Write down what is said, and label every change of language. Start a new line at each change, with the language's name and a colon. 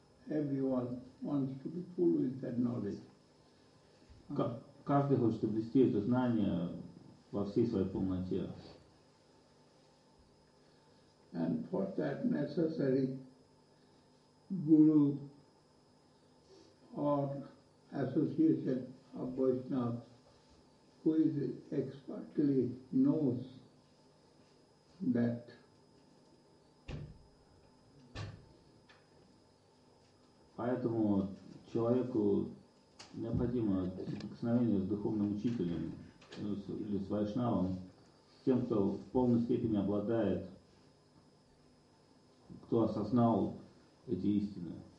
English: Everyone wants to be full with that knowledge.
Russian: Каждый хочет обрести это знание во всей своей полноте.
English: And for that necessary. Guru or association of Vaishnavas who is expertly knows that
Russian: поэтому человеку необходимо соприкосновение с духовным учителем или с Вайшнавом, с тем, кто в полной степени обладает, кто осознал эти истины.